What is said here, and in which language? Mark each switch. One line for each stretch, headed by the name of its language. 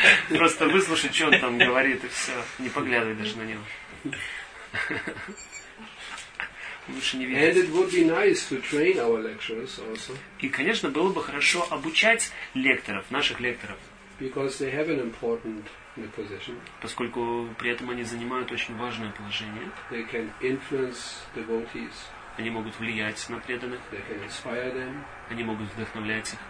Russian: Просто выслушать, что он там говорит, и все. Не поглядывать даже на него.
English: And it would be nice to train our lecturers also.
Russian: И, конечно, было бы хорошо обучать лекторов, наших лекторов.
English: Because they have an important position.
Russian: Поскольку при этом они занимают очень важное положение.
English: They can influence devotees.
Russian: Они могут влиять на преданных.
English: They can inspire them.
Russian: Они могут вдохновлять их.